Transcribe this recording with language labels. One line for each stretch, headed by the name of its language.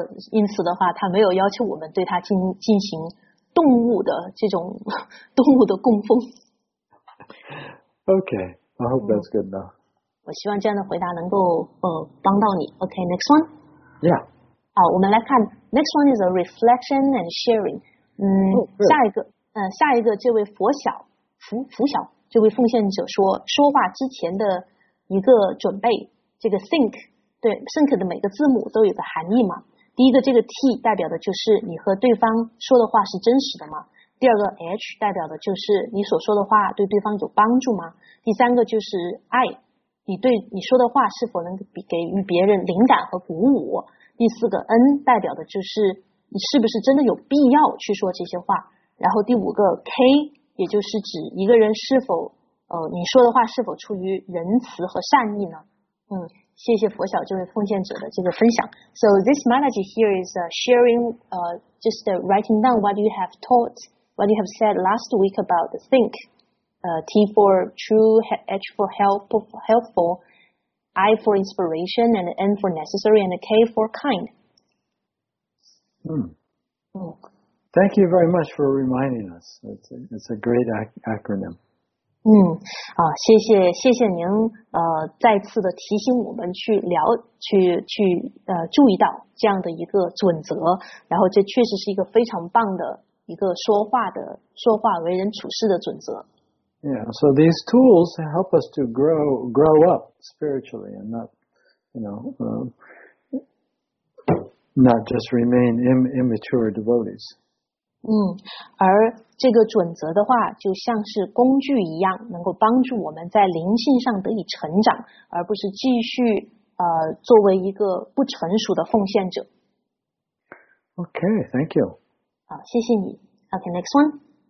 Chinese: 因此的话，他没有要求我们对他进行。动物的供奉。
English: Okay, I hope that's good enough.
Chinese: 我希望这样的回答能够帮到你。
English: Okay, next one. Yeah.
Chinese: 好，我们来看
English: next one is a reflection and sharing.
Chinese: 下一个这位佛小这位奉献者说话之前的一个准备，这个 think 对 think 的每个字母都有个含义嘛。第一个这个 T 代表的就是你和对方说的话是真实的吗？第二个 H 代表的就是你所说的话对对方有帮助吗？第三个就是 I 你对你说的话是否能给予别人灵感和鼓舞。第四个 N 代表的就是你是不是真的有必要去说这些话。然后第五个 K 也就是指一个人是否你说的话是否出于仁慈和善意呢？谢谢佛晓这位奉献者的这个分享。
English: So this analogy here is sharing, just writing down what you have taught, what you have said last week about the think, T for true, H for helpful, I for inspiration, and N for necessary, and K for kind. Thank you very much for reminding us. It's a great acronym.
Chinese: 谢谢您再次的提醒我们去聊去注意到这样的一个准则，然后这确实是一个非常棒的一个说话为人处事的准则。
English: Yeah, so these tools help us to grow up spiritually and not just remain immature devotees.
Chinese: 而这个准则的话就像是工具一样，能够帮助我们在灵性上得以成长，而不是继续作为一个不成熟的奉献者。
English: Okay, thank you.
Chinese: 好，谢谢你。
English: Okay, next one.